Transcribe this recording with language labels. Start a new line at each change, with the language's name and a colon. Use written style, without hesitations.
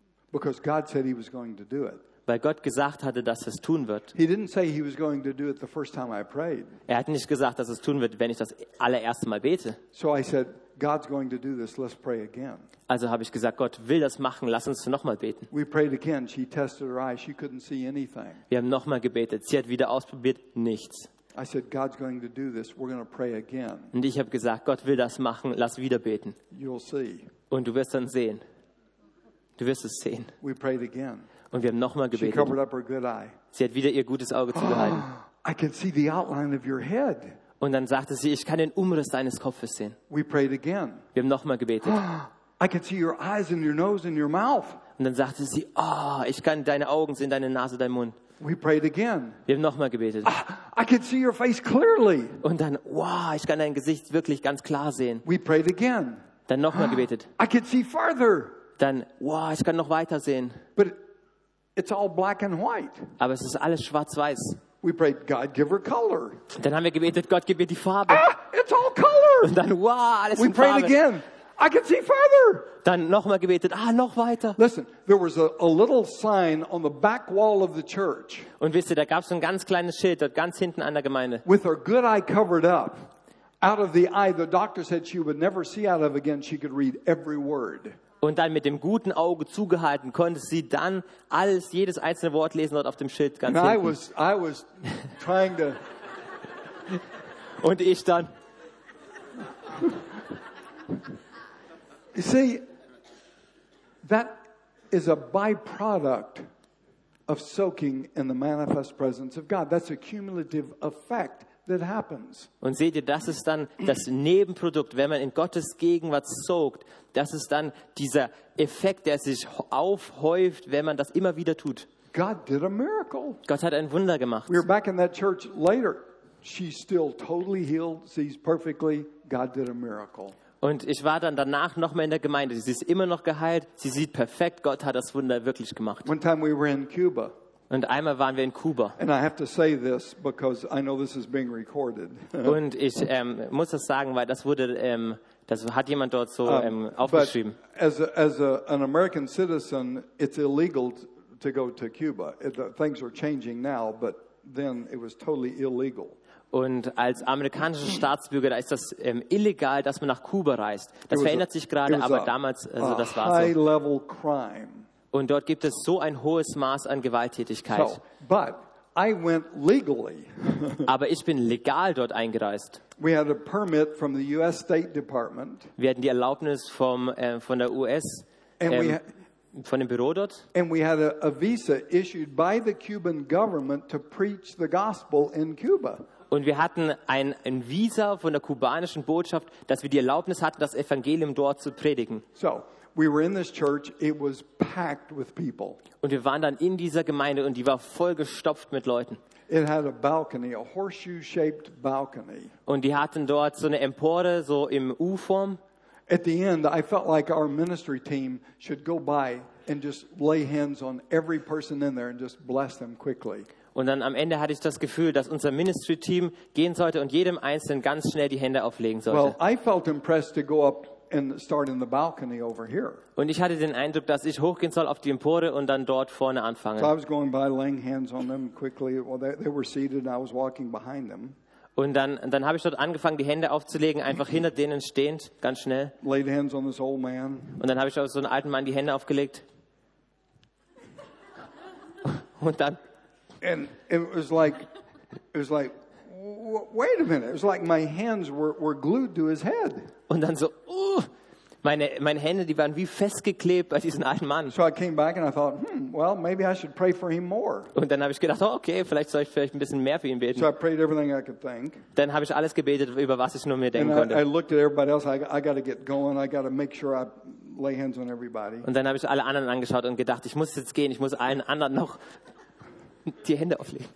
English: Because God said he was going to do it.
German: Weil Gott gesagt hatte, dass es tun wird.
English: He didn't say he was going to do it the first time I prayed.
German: Er hat nicht gesagt, dass es tun wird, wenn ich das allererste Mal bete.
English: So I said, God's going to do this. Let's pray again.
German: Also habe ich gesagt, Gott will das machen. Lass uns noch mal beten.
English: We prayed again. She tested her eyes. She couldn't see anything.
German: Wir haben noch mal gebetet. Sie hat wieder ausprobiert. Nichts.
English: I said, God's going to do this. We're going to pray again.
German: Und ich habe gesagt, Gott will das machen. Lass wieder beten.
English: You'll see.
German: Und du wirst dann sehen. Du wirst es sehen.
English: We prayed again.
German: Und wir haben nochmal gebetet.
English: She covered up her good eye.
German: Sie hat wieder ihr gutes Auge zugehalten.
English: I can see the outline of your head.
German: Und dann sagte sie, ich kann den Umriss deines Kopfes sehen.
English: We prayed again.
German: Wir haben nochmal gebetet.
English: I can see your eyes and your nose and your mouth.
German: Und dann sagte sie, oh, ich kann deine Augen sehen, deine Nase, dein Mund.
English: We prayed again.
German: Wir haben nochmal gebetet.
English: I can see your face clearly.
German: Und dann, wow, ich kann dein Gesicht wirklich ganz klar sehen.
English: We prayed again.
German: Dann nochmal gebetet.
English: I can see farther.
German: Dann, wow, ich kann noch weiter sehen.
English: But it's all black and white.
German: Aber es ist alles schwarz-weiß.
English: We prayed, God, give her color.
German: Dann haben wir gebetet, Gott, gib mir die Farbe.
English: It's all color.
German: Und dann, wow, alles in Farbe.
English: We prayed again. I can see farther.
German: Dann nochmal gebetet. Ah, noch weiter.
English: Listen, there was a little sign on the back wall of the church.
German: Und wisst ihr, da gab's ein ganz kleines Schild dort ganz hinten an der Gemeinde.
English: With her good eye covered up, out of the eye, the doctor said she would never see out of again. She could read every word.
German: Und dann mit dem guten Auge zugehalten konnte sie dann alles, jedes einzelne Wort lesen dort auf dem Schild ganz hinten.
English: I was trying to.
German: Und ich dann.
English: You see, that is a byproduct of soaking in the manifest presence of God. That's a cumulative effect that happens.
German: Und seht ihr, das ist dann das Nebenprodukt, wenn man in Gottes Gegenwart soakt. Das ist dann dieser Effekt, der sich aufhäuft, wenn man das immer wieder tut.
English: God did a miracle.
German: Gott hat ein Wunder gemacht.
English: We were back in that church later. She's still totally healed, sees perfectly. God did a miracle.
German: Und ich war dann danach noch mal in der Gemeinde. Sie ist immer noch geheilt. Sie sieht perfekt. Gott hat das Wunder wirklich gemacht.
English: One time we were in Cuba.
German: Und einmal waren wir in Kuba.
English: And I have to say this because I know this is being recorded.
German: Und ich muss das sagen, weil das wurde, das hat jemand dort so aufgeschrieben.
English: As an American citizen, it's illegal to go to Cuba. Things are changing now, but then it was totally illegal.
German: Und als amerikanischer Staatsbürger, da ist das illegal, dass man nach Kuba reist. Das verändert sich gerade, aber damals, also das war so.
English: High level crime.
German: Und dort gibt es so ein hohes Maß an Gewalttätigkeit.
English: So, but I went legally.
German: Aber ich bin legal dort eingereist.
English: We had a permit from the US State Department.
German: Wir hatten die Erlaubnis von der US.
English: And we,
German: von dem Büro dort.
English: And we had a visa issued by the Cuban government to preach the gospel in Cuba.
German: Und wir hatten ein Visa von der kubanischen Botschaft, dass wir die Erlaubnis hatten, das Evangelium dort zu predigen.
English: So, we were in this church, it was packed with people.
German: Und wir waren dann in dieser Gemeinde und die war vollgestopft mit Leuten.
English: It had a balcony, a horseshoe-shaped balcony.
German: Und die hatten dort so eine Empore, so im U-Form.
English: At the end, I felt like our ministry team should go by and just lay hands on every person in there and just bless them quickly.
German: Und dann am Ende hatte ich das Gefühl, dass unser Ministry-Team gehen sollte und jedem Einzelnen ganz schnell die Hände auflegen sollte.
English: Well, I felt impressed to go up and start in the balcony over here.
German: Und ich hatte den Eindruck, dass ich hochgehen soll auf die Empore und dann dort vorne anfangen.
English: So I was going by laying hands on them quickly. Well, they were seated and I was walking behind them.
German: Und dann habe ich dort angefangen, die Hände aufzulegen, einfach hinter denen stehend, ganz schnell.
English: Laid hands on this old man.
German: Und dann habe ich auf so einen alten Mann die Hände aufgelegt. Und dann...
English: And it was like, wait a minute. It was like my hands were glued to his head.
German: Und dann so, meine Hände, die waren wie festgeklebt bei diesem alten Mann.
English: So I came back and I thought, well, maybe I should pray for him more.
German: Und dann habe ich gedacht, oh, okay, vielleicht soll ich vielleicht ein bisschen mehr für ihn beten.
English: So I prayed everything I could think.
German: Dann habe ich alles gebetet, über was ich nur mir denken konnte.
English: And I looked at everybody else. I got to get going. I got to make sure I lay hands on everybody.
German: Und dann habe ich alle anderen angeschaut und gedacht, ich muss jetzt gehen. Ich muss allen anderen noch die Hände auflegen.